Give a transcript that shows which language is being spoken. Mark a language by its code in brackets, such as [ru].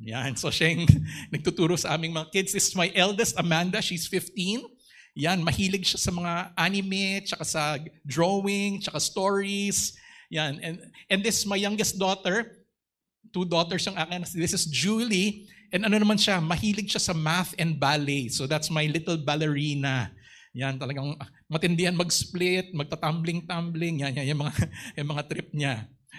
[tl] Yan. So siya yung nagtuturo sa aming mga kids. [en] This is my eldest, Amanda. She's 15. Yan. [tl] Mahilig siya sa mga anime, tsaka sa drawing, tsaka stories. Yan. [en] And this is my youngest daughter. Two daughters yung akin. This is Julie. [tl] And ano naman siya? Mahilig siya sa math and ballet. [en] So that's my little ballerina. [tl] Yan. Talagang matindihan mag-split, magta-tumbling-tumbling. Yan. Yung mga trip niya.